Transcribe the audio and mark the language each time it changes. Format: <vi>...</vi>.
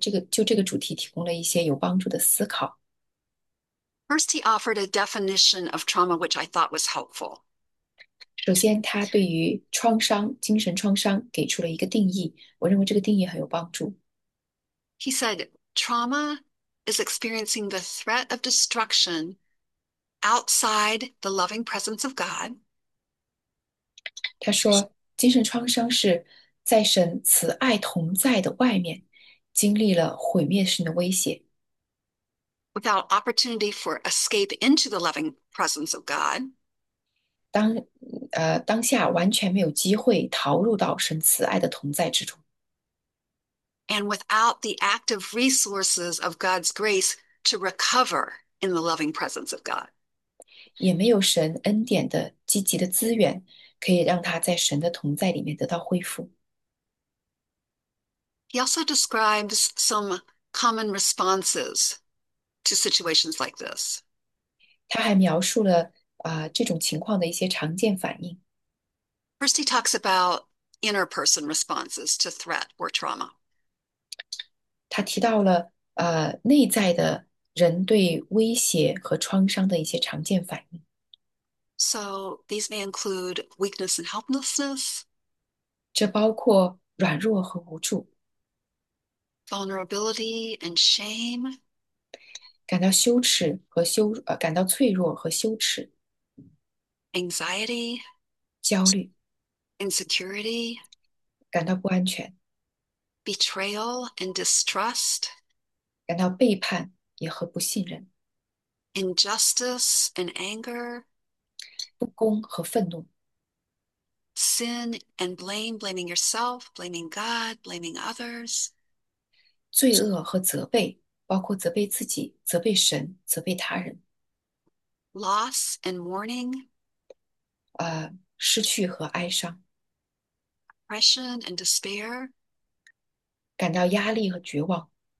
<zh>就这个主题提供了一些有帮助的思考。</zh> <en>First, he offered a definition of trauma, which I thought was helpful.</en> <zh>首先，他对于创伤、精神创伤给出了一个定义，我认为这个定义很有帮助。</zh> <en>He said, trauma is experiencing the threat of destruction outside the loving presence of God.</en> <zh>他说，精神创伤是在神慈爱同在的外面，经历了毁灭性的威胁。</zh> <en>Without opportunity for escape into the loving presence of God.</en> <zh>当下完全没有机会逃入到神慈爱的同在之中。</zh> <en>And without the active resources of God's grace to recover in the loving presence of God.</en> <zh>也没有神恩典的积极的资源，可以让他在神的同在里面得到恢复。</zh> <en>He also describes some common responses to situations like this.</en> <zh>他还描述了这种情况的一些常见反应。</zh> <en>First, he talks about inner person responses to threat or trauma.</en> <zh>他提到了内在的人对威胁和创伤的一些常见反应。</zh> <en>So these may include weakness and helplessness,</en> <zh>这包括软弱和无助，</zh> <en>vulnerability and shame,</en> <zh>感到羞耻和羞，呃，感到脆弱和羞耻。</zh> <en>anxiety,</en> <zh>焦虑，</zh> <en>insecurity,</en> <zh>感到不安全，</zh> <en>betrayal and distrust,</en> <zh>感到背叛也和不信任，</zh> <en>injustice and anger.</en> <zh>不公和愤怒。</zh> <en>Sin and blaming yourself, blaming God, blaming others.</en> <zh>罪恶和责备，包括责备自己、责备神、责备他人。</zh> <en>Loss and mourning.</en> <zh>失去和哀伤，</zh> <en>depression and despair,</en> <zh>感到压力和绝望。</zh>